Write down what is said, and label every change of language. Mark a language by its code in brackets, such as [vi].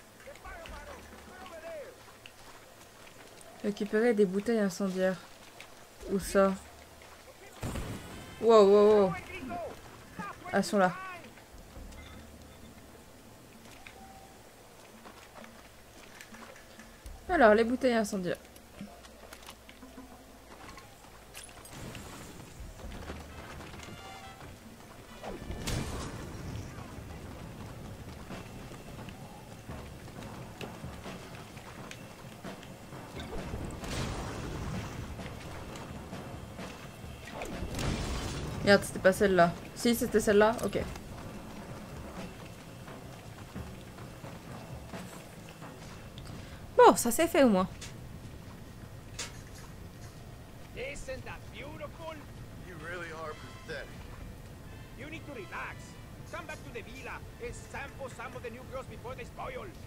[en] The fire bottles are over there. [fr] Récupérer des bouteilles incendiaires. Où ça? Wow, wow, wow. Elles sont là. Alors, les bouteilles incendiaires. Merde, c'était pas celle-là. Si, c'était celle-là, ok. Bon, ça s'est fait au moins. [en] Isn't that beautiful? You really are pathetic. You need to relax. Come back to the villa and sample some of the new girls before they spoil.